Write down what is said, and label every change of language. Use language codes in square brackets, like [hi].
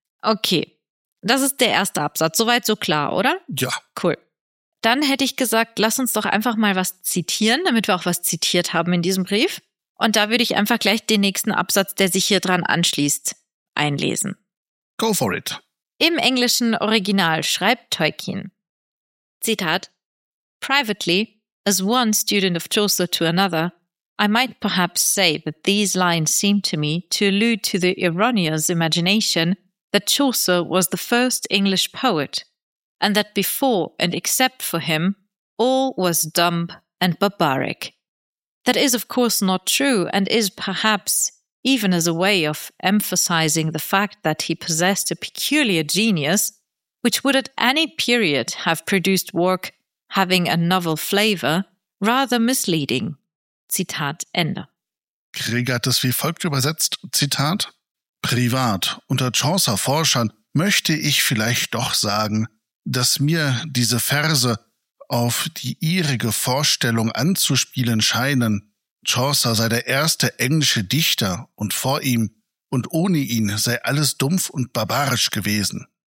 [de] Okay. Das ist der erste Absatz. Soweit so klar, oder? Ja. Cool. Dann hätte ich gesagt, lass uns doch einfach mal was zitieren, damit wir auch was zitiert haben in diesem Brief. Und da würde ich einfach gleich den nächsten Absatz, der sich hier dran anschließt, einlesen. [en] Go for it. [de] Im englischen Original schreibt Tolkien, Zitat, [en] Privately, as one student of Chaucer to another, I might perhaps say that these lines seem to me to allude to the erroneous imagination that Chaucer was the first English poet, and that before and except for him, all was dumb and barbaric. That is, of course, not true, and is perhaps, even as a way of emphasizing the fact that he possessed a peculiar genius, which would at any period have produced work having a novel flavor, rather misleading. [de] Zitat Ende. Krieger hat es wie folgt übersetzt, Zitat. Privat, unter Chaucer-Forschern, möchte ich vielleicht doch sagen, dass mir diese Verse auf die ihrige Vorstellung anzuspielen scheinen. Chaucer sei der erste englische Dichter und vor ihm und ohne ihn sei alles dumpf und barbarisch gewesen.